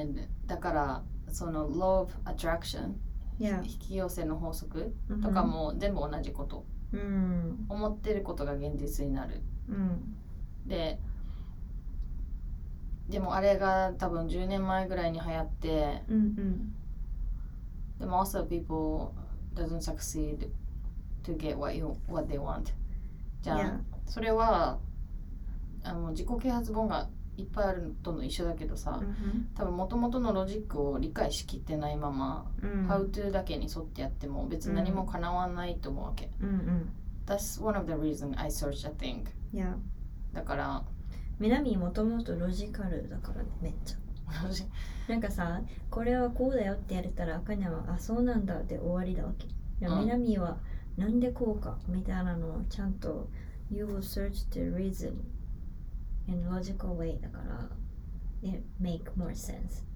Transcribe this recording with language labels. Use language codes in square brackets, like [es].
[en] And [ja] だからその [en] law of attraction、 yeah. [ja] 引き寄せの法則とかも全部同じこと、 mm-hmm. 思ってることが現実になる、 mm-hmm. でもあれが多分10年前ぐらいに流行って、 mm-hmm. でも [en] also people doesn't succeed to get what they want じゃん、yeah. [ja] それはあの自己啓発本がいっぱいあるとの一緒だけどさ、 mm-hmm. 多分元々のロジックを理解しきってないまま、 mm-hmm. How to だけに沿ってやっても別に何も叶わないと思うわけ、 mm-hmm. [en] That's one of the reasons I search a thing、 yeah. [ja] だから南元々ロジカルだからね、めっちゃなんかさ、これはこうだよってやれたら赤にはあ、そうなんだって終わりだわけ。南はなんでこうかみたいなのをちゃんと [en] You will search the reason in a logical way, [ja] だから [en] it make more sense、